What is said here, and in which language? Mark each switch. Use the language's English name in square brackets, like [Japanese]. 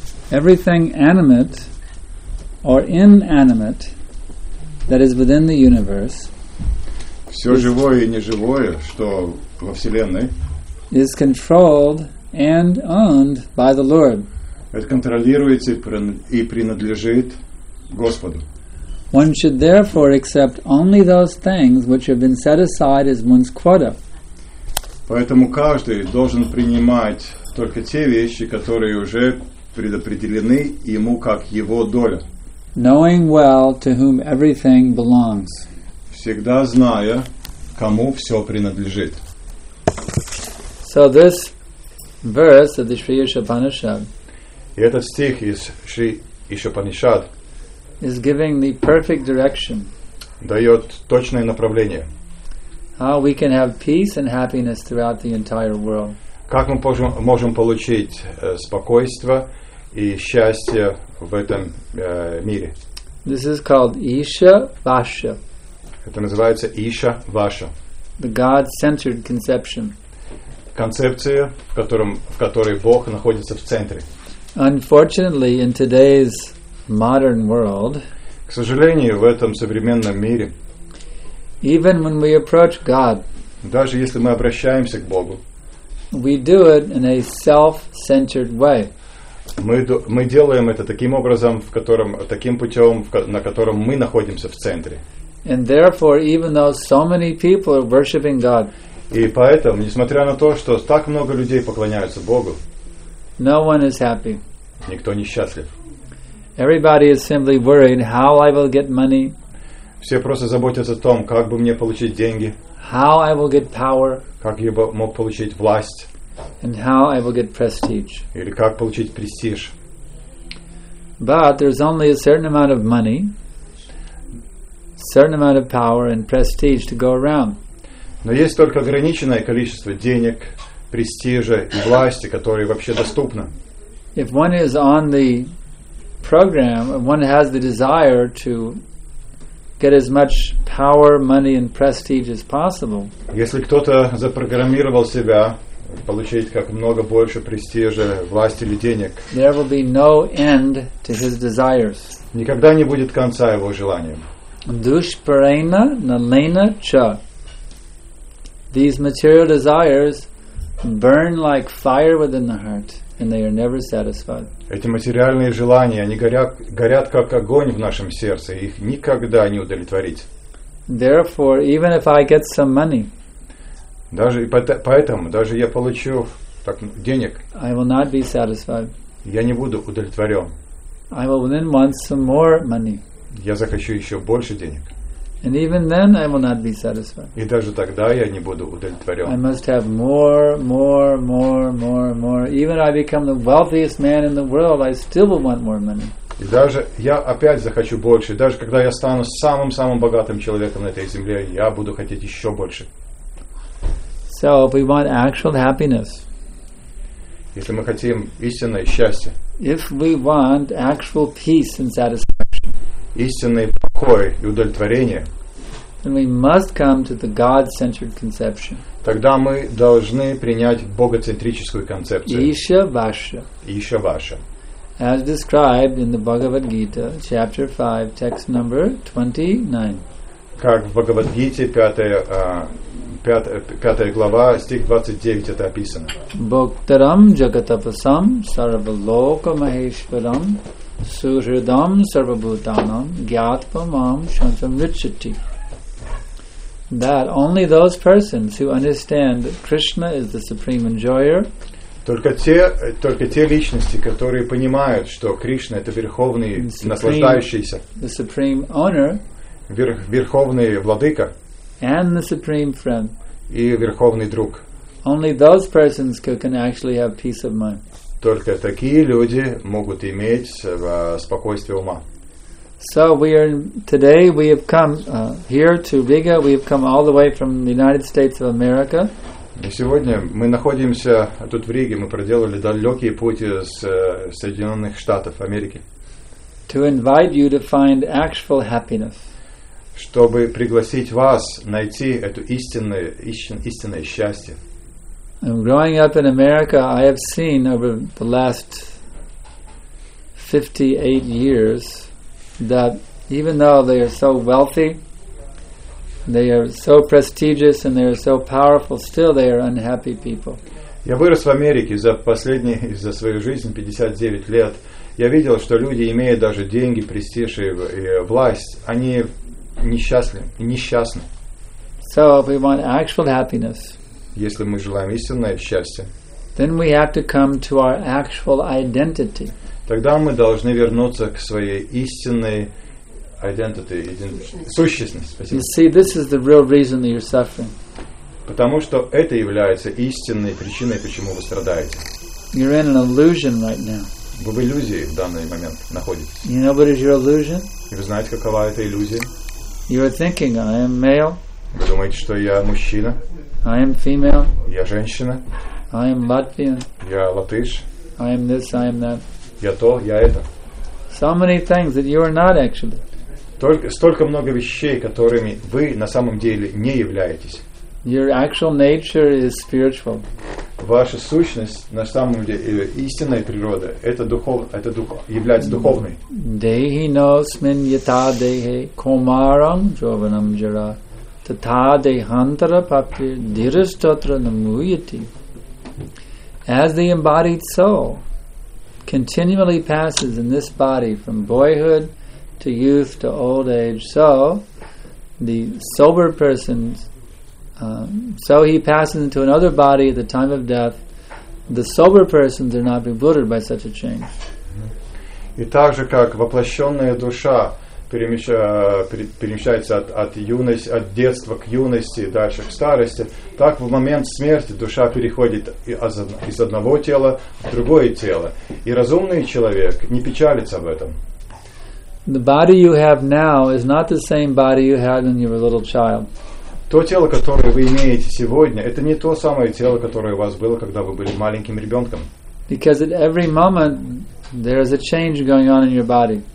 [English] Everything animate or inanimate that is within the universe, [Russian] все живое и неживое, что во Вселенной, [English] is controlled and owned by the Lord. [Russian] Это контролируется и принадлежит Господу. [English] One should therefore accept only those things which have been set aside as one's quota. [Russian] Поэтому каждый должен принимать только те вещи, которые уже предопределены ему как его доля. [English] Knowing well to whom everything belongs. [Russian] Всегда зная, кому все принадлежит. [English] So this verse of the Sri Isha Upanishad, [Russian] и этот стих из Шри Иша Панишад, [English] is giving the perfect direction, [Russian] дает точное направление, [English] how we can have peace and happiness throughout the entire world. [Russian] Как мы можем получить спокойствие и счастье в этом мире. [English] This is called Isha Vasha. [Russian] Это называется Isha Vasha. [English] The God-centered conception. [Russian] Концепция, в которой Бог находится в центре. [English] Unfortunately, in today's modern world, [Russian] к сожалению, в этом современном мире, [English] even when we approach God, [Russian] даже если мы обращаемся к Богу, [English] we do it in a self-centered way. [Russian] Мы делаем это таким образом, таким путем, на котором мы находимся в центре. [English] And therefore, even though so many people are worshiping God, [Russian] и поэтому, несмотря на то, что так много людей поклоняются Богу, [English] no one is happy. [Russian] Никто не счастлив. [English] Everybody is simply worried how I will get money. [Russian] Все просто заботятся о том, как бы мне получить деньги. [English] How I will get power. [Russian] Как я бы мог получить власть. [English] And how I will get prestige. [Russian] Или как получить престиж. [English] But there's only a certain amount of money, certain amount of power and prestige to go around. [Russian] Но есть только ограниченное количество денег, престижа и власти, которые вообще доступны. [English] If one is on the program, one has the desire to get as much power, money, and prestige as possible. [Russian] Если кто-то запрограммировал себя получить как много больше престижа, власти или денег, [English] there will be no end to his desires. [Russian] Никогда не будет конца его желаниям. [Sanskrit] Душпарена налена ча. [English] These material desires burn like fire within the heart, and they are never satisfied. [Russian] Эти материальные желания, они горят как огонь в нашем сердце, их никогда не удовлетворить. [English] Therefore, even if I get some money, [Russian] даже поэтому, даже я получу так денег, [English] I will not be satisfied. [Russian] Я не буду удовлетворен. [English] I will then want some more money. [Russian] Я захочу еще больше денег. [English] And even then, I will not be satisfied. [Russian] И даже тогда я не буду удовлетворен. [English] I must have more, more, more, more, more. Even if I become the wealthiest man in the world, I still will want more money. [Russian] И даже я опять захочу больше. Даже когда я стану самым-самым богатым человеком на этой земле, я буду хотеть еще больше. [English] So, if we want actual happiness, [Russian] если мы хотим истинное счастье, [English] if we want actual peace and satisfaction, [Russian] истинный покой и удовлетворение, [English] then we must come to the God-centered conception. [Russian] Тогда мы должны принять богоцентрическую концепцию. [Sanskrit] Иша-ваша. Иша-ваша. [English] As described in the Bhagavad Gita, chapter 5, text number 29. [Russian] как в Бхагавадгите, пятая глава, стих 29, это описано. [Sanskrit] Бхактарам джагатапасам сарвалока махешварам сухридам сарвабхутанам гьятпамам шантамричати. [English] That only those persons who understand that Krishna is the supreme enjoyer. [Russian] Только те личности, которые понимают, что Кришна это верховный наслаждающийся. [English] The supreme owner. [Russian] Верховный владыка. [English] And the supreme friend. [Russian] И верховный друг. [English] Only those persons can actually have peace of mind. [Russian] Только такие люди могут иметь спокойствие ума. [English] So today we have come here to Riga. We have come all the way from the United States of America. [Russian] И сегодня мы находимся тут в Риге. Мы проделали далекий путь из Соединенных Штатов Америки. [English] To invite you to find actual happiness. [Russian] Чтобы пригласить вас найти это истинное счастье. [English] And growing up in America, I have seen over the last 58 years that even though they are so wealthy, they are so prestigious and they are so powerful, still they are unhappy people. [Russian] Я вырос в Америке за свою жизнь 59 лет. Я видел, что люди, имея даже деньги, престиж и власть, они несчастны. [English] So if we want actual happiness, [Russian] если мы желаем истинное счастье, [English] then we have to come to our actual identity. [Russian] Тогда мы должны вернуться к своей истинной [English] identity, [Russian] сущностности. Спасибо. [English] You see, this is the real reason that you're suffering. [Russian] Потому что это является истинной причиной, почему вы страдаете. [English] You're in an illusion right now. [Russian] Вы в иллюзии в данный момент находитесь. [English] You know what is your illusion? [Russian] И вы знаете, какова эта иллюзия? [English] You are thinking, I am male. [Russian] Вы думаете, что я мужчина? [English] I am female. [Russian] Я женщина. [English] I am Latvian. [Russian] Я латыш. [English] I am this, I am that. [Russian] Я то, я это. [English] So many things that you are not actually. [Russian] Столько много вещей, которыми вы на самом деле не являетесь. [English] Your actual nature is spiritual. [Russian] Ваша сущность на самом деле истинная природа. Является духовной. [Sanskrit] Dehi nosmin yata dehe komaram jovanam jara tatha dehantara papir dhirastotra namuyati. [English] As the embodied soul continually passes in this body from boyhood to youth to old age, so the sober person, so he passes into another body at the time of death. The sober persons are not bewildered by such a change. [Russian] И так же, как воплощенная душа перемещается от детства к юности, дальше к старости, так в момент смерти душа переходит из одного тела в другое тело. И разумный человек не печалится об этом. [English] The body you have now is not the same body you had when you were a little child. [Russian] То тело, которое вы имеете сегодня, это не то самое тело, которое у вас было, когда вы были маленьким ребенком. [English] Because at every moment there is a change going on in your body.